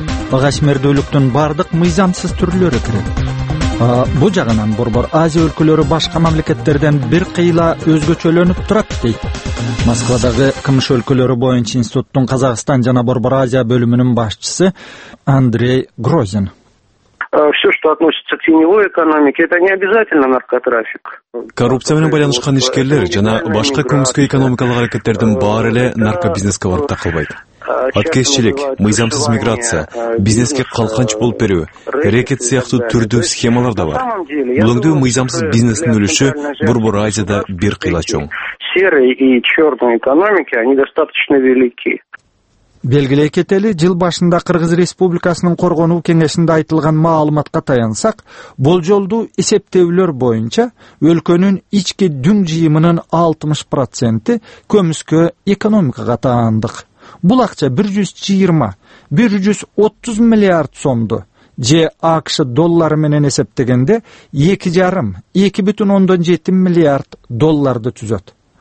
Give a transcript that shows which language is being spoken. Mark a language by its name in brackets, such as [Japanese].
[Kyrgyz] Кашмирдөөлүктүн бардык мыйзамсыз түрлөрү кирет. Бул жагынан Борбор Азия өлкөлөрү башка мамлекеттерден бир кыйла өзгөчөлөнүп турат, дейт. Москвадагы КМШ өлкөлөрү боюнча институттун Казакстан жана Борбор Азия бөлүмүнүн башчысы Андрей Грозин. [Russian] Все, что относится к теневой экономике, это не обязательно наркотрафик. [Kyrgyz] Коррупция менен байланышкан ишкерлер жана башка көмүскө экономикалык аракеттердин баары эле наркобизнеске барып такылбайт. Аткезчилик, мыйзамсыз миграция, бизнеске калканч болуп берүү, рекет сыяктуу түрдүү схемалар да бар. Бүгүндө мыйзамсыз бизнестин өлүшү Борбор Азияда бир кыйла чоң. [Russian] Серый и чёрный экономики, они достаточно велики. [Kyrgyz] Белгилей кетели, жыл башында Кыргыз Республикасынын коргонуу кеңешинде айтылган маалыматка таянсак, болжолду эсептеүлөр боюнча өлкөнүн ички дүң жыйымынын 60% көмүскө экономикага таандык. Бул акча 120-130 миллиард сомду же АКШ доллары менен эсептегенде 2,5-2,7 миллиард долларды түзөт.